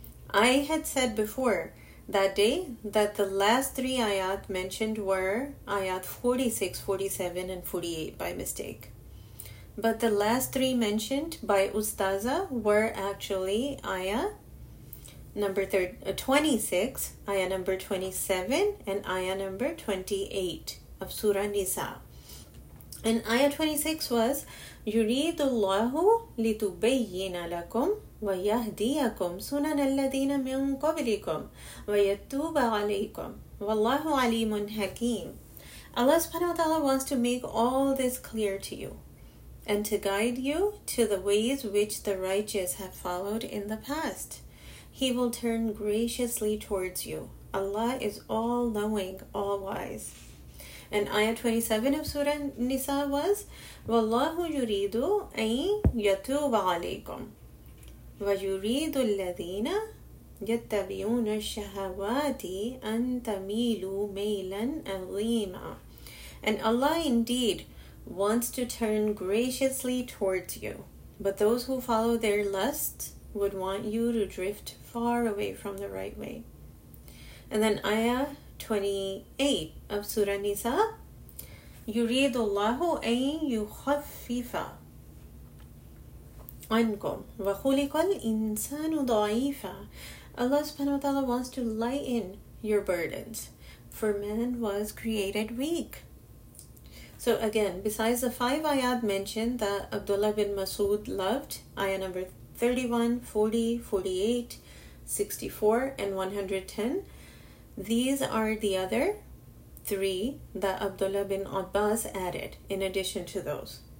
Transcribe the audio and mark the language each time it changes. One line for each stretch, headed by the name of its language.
English: I had said before that day that the last three ayat mentioned were ayat 46, 47, and 48 by mistake. But the last three mentioned by Ustaza were actually ayah number 26, ayah number 27, and ayah number 28 of Surah Nisa. And ayah 26 was,
Arabic: يُرِيدُ اللَّهُ لِتُبَيِّنَ لَكُمْ وَيَهْدِيَكُمْ سُنَنَ الَّذِينَ مِنْ قَبْلِكُمْ وَيَتُوبَ عَلَيْكُمْ وَاللَّهُ عَلِيمٌ حَكِيمٌ.
English: Allah subhanahu wa ta'ala wants to make all this clear to you and to guide you to the ways which the righteous have followed in the past. He will turn graciously towards you. Allah is all-knowing, all-wise. And ayah 27 of Surah Nisa was,
Arabic: وَاللَّهُ يُرِيدُ أَن يَتُوبَ عَلَيْكُمْ وَيُرِيدُ الَّذِينَ يَتَّبِعُونَ الشَّهَوَاتِ أَن تَمِيلُوا مَيْلًا عَظِيمًا.
English: And Allah indeed wants to turn graciously towards you, but those who follow their lust would want you to drift far away from the right way. And then ayah 28 of Surah Nisa,
Arabic: يُرِيدُ اللَّهُ أَن يُخَفِّفَ عَنْكُمْ وَخُلِقَ الْإِنسَانُ ضَعِيفًا.
English: Allah subhanahu wa ta'ala wants to lighten your burdens, for man was created weak. So again, besides the five ayat mentioned that Abdullah bin Mas'ud loved, ayah number 31, 40, 48, 64, and 110, these are the other three that Abdullah bin Abbas added in addition to those.